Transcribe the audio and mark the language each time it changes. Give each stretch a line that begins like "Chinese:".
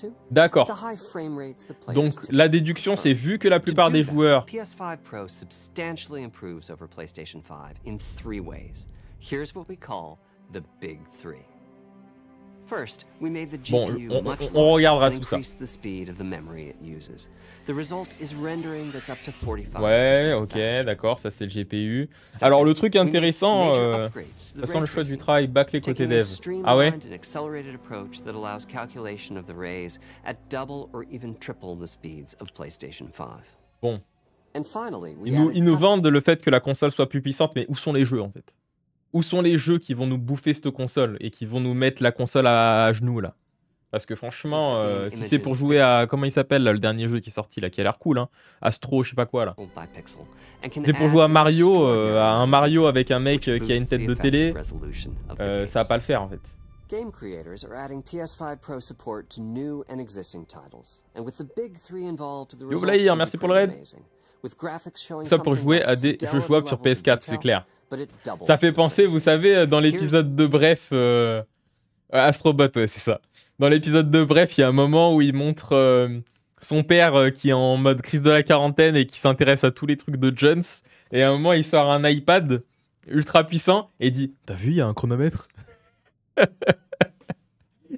French: D'accord. Donc la déduction, c'est vu que la plupart des joueurs
English: PS5 Pro substantially improves over PlayStation 5 in three ways. Here's what we call the big three. First, we made the GPU much larger and increased the speed of the memory it uses. The result is rendering that's up to 45%.
French: Ouais, ok, d'accord, ça c'est le GPU. Alors le truc intéressant, ça sent le choix du travail bâclé côté dev. Ah ouais.
English: An accelerated approach that allows calculation of the rays at double or even triple the speeds of PlayStation 5.
French: Bon.
English: And finally,
French: ils nous vendent le fait que la console soit plus puissante, mais où sont les jeux en fait? Où sont les jeux qui vont nous bouffer cette console et qui vont nous mettre la console à genoux, là? Parce que franchement, si c'est pour jouer à... Comment il s'appelle, là, le dernier jeu qui est sorti, là, qui a l'air cool, hein? Astro, je sais pas quoi, là. C'est pour jouer à Mario, à un Mario avec un mec qui a une tête de télé, ça va pas le faire, en fait.
English: Game creators are adding PS5 Pro support to new and existing titles. And with the big three involved, the results are pretty amazing. With graphics showing
French: ça pour jouer à des jeux jouables sur PS4, c'est clair. Ça fait penser, vous savez, dans l'épisode de Bref, Astrobot, ouais, c'est ça. Dans l'épisode de Bref, il y a un moment où il montre son père qui est en mode crise de la quarantaine et qui s'intéresse à tous les trucs de Jones. Et à un moment, il sort un iPad ultra puissant et dit « T'as vu, il y a un chronomètre ?»